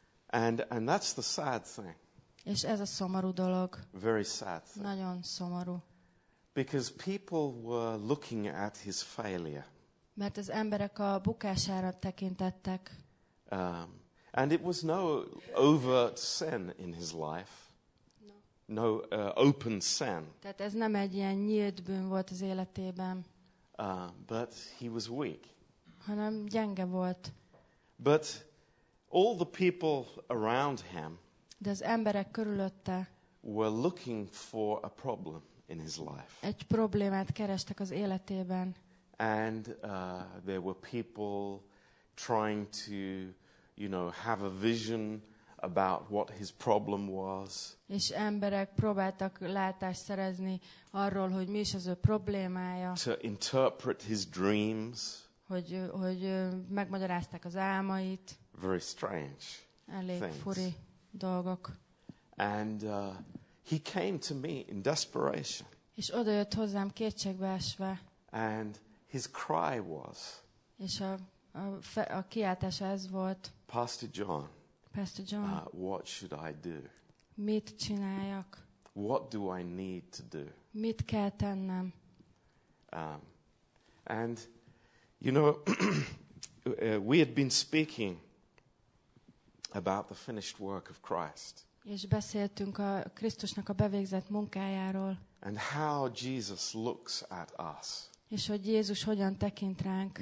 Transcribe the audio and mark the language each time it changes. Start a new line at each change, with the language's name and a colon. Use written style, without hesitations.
English: And that's the sad thing.
Hungarian: És ez a szomorú dolog.
English: Very sad thing.
Hungarian: Nagyon szomorú.
English: Because people were looking at his failure.
Hungarian: Mert az emberek a bukására tekintettek.
English: And it was no overt sin in his life. No open sin.
Hungarian: Tehát ez nem egy ilyen nyílt bűn volt az életében.
English: But he was weak.
Hungarian: Hanem gyenge volt.
English: But all the people around him,
Hungarian: de az emberek körülötte,
English: were looking for a problem in his life.
Hungarian: Egy problémát kerestek az életében.
English: And there were people trying to, have a vision about what his problem was.
Hungarian: És emberek próbáltak látást szerezni arról, hogy mi is az ő problémája.
English: To interpret his dreams.
Hungarian: Hogy megmagyarázták az álmait.
English: Very strange.
Hungarian: Elég
English: things.
Hungarian: Furi dolgok.
English: And he came to me in desperation.
Hungarian: És odajött hozzám kétségbeesve.
English: And his cry was.
Hungarian: És a kiáltás ez volt.
English: Pastor John. What should I do?
Hungarian: Mit csináljak?
English: What do I need to do?
Hungarian: Mit kell tennem?
English: And we had been speaking about the finished work of Christ.
Hungarian: És beszéltünk a Krisztusnak a bevégzett munkájáról.
English: And how Jesus looks at us.
Hungarian: És hogy Jézus hogyan tekint ránk.